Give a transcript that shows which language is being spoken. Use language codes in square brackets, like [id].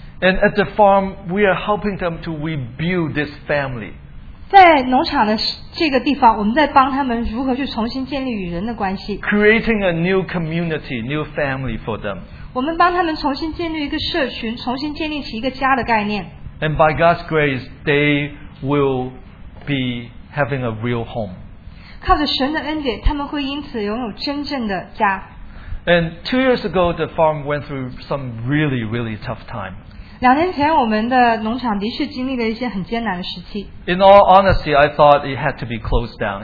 [en] And at the farm, we are helping them to rebuild this family. [zh] 在农场的这个地方，我们在帮他们如何去重新建立与人的关系。 [en] Creating a new community, new family for them. [zh] 我们帮他们重新建立一个社群，重新建立起一个家的概念。 [en] And by God's grace, they will be having a real home. [zh] 靠着神的恩典，他们会因此拥有真正的家。 [en] And 2 years ago, the farm went through some really, really tough time. [zh] 2年前，我们的农场的确经历了一些很艰难的时期。 [en] In all honesty, I thought it had to be closed down.